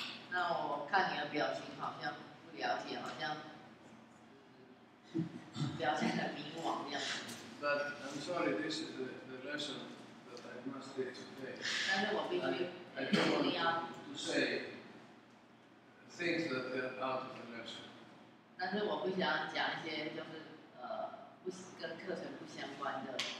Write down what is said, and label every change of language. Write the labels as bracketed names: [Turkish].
[Chinese] 那我看你的表情好像不了解，好像表现得迷惘的样子。 [English] But I'm sorry, this is the lesson that I must say today. [Chinese] 但是我必须 [English] to say things that are out of the lesson. [Chinese] 但是我不想讲一些就是不跟课程不相关的。